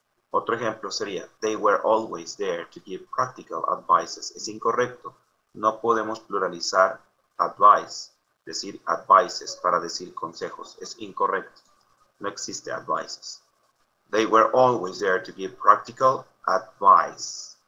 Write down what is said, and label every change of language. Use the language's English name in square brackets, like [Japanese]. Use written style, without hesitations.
[Spanish] Otro ejemplo sería, [English] they were always there to give practical advices. [Spanish] Es incorrecto. No podemos pluralizar advice, decir advices para decir consejos. Es incorrecto. No existe advices. [English] They were always there to give practical advice.